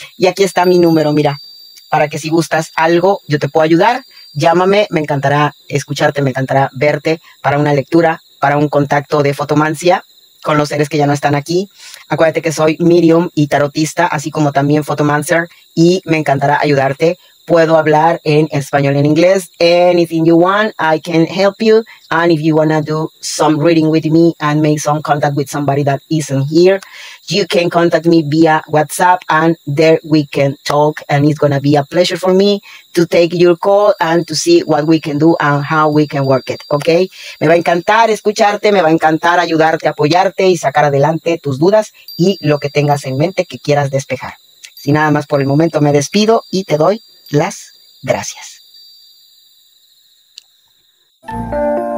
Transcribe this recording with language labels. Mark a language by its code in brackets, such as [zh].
[es] Y aquí está mi número, mira, para que si gustas algo, yo te puedo ayudar, llámame, me encantará escucharte, me encantará verte para una lectura, para un contacto de fotomancia con los seres que ya no están aquí. Acuérdate que soy medium y tarotista, así como también photomancer, y me encantará ayudarte. Puedo hablar en español y en inglés. [en] Anything you want, I can help you. And if you want to do some reading with me and make some contact with somebody that isn't here, you can contact me via WhatsApp and there we can talk. And it's going to be a pleasure for me to take your call and to see what we can do and how we can work it. Okay? [es] Me va a encantar escucharte, me va a encantar ayudarte, apoyarte y sacar adelante tus dudas y lo que tengas en mente que quieras despejar. Sin nada más por el momento, me despido y te doy las gracias.